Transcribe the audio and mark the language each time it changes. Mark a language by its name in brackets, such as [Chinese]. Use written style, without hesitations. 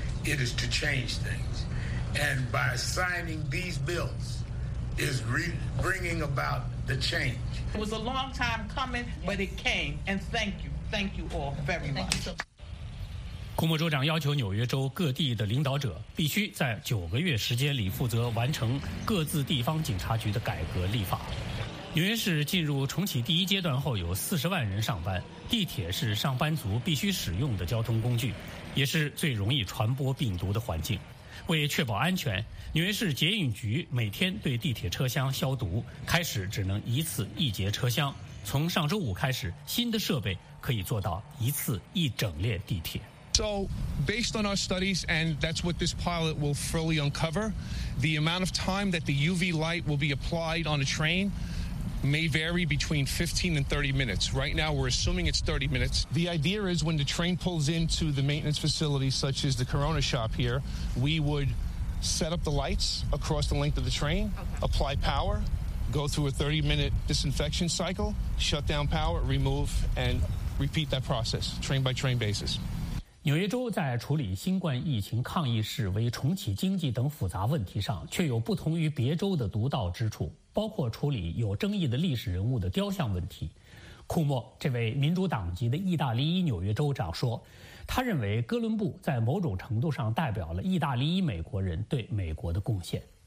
[English] It is to change things. And by signing these bills is bringing about the change. It was a long time coming, but it came. And thank you. Thank you all very much. [Chinese] 库莫州长要求纽约州各地的领导者必须在9个月时间里负责完成各自地方警察局的改革立法。纽约市进入重启第一阶段后有40万人上班，地铁是上班族必须使用的交通工具，也是最容易传播病毒的环境。为确保安全，纽约市捷运局每天对地铁车厢消毒，开始只能一次一节车厢，从上周五开始，新的设备可以做到一次一整列地铁。 [English] So, based on our studies, and that's what this pilot will fully uncover, the amount of time that the UV light will be applied on a train may vary between 15 and 30 minutes. Right now, we're assuming it's 30 minutes. The idea is when the train pulls into the maintenance facility, such as the Corona shop here, we would set up the lights across the length of the train, apply power, go through a 30-minute disinfection cycle, shut down power, remove, and repeat that process, train by train basis. [Chinese] 纽约州在处理新冠疫情抗疫示威、重启经济等复杂问题上却有不同于别州的独到之处，包括处理有争议的历史人物的雕像问题。库莫这位民主党籍的意大利裔纽约州长说，他认为哥伦布在某种程度上代表了意大利裔美国人对美国的贡献。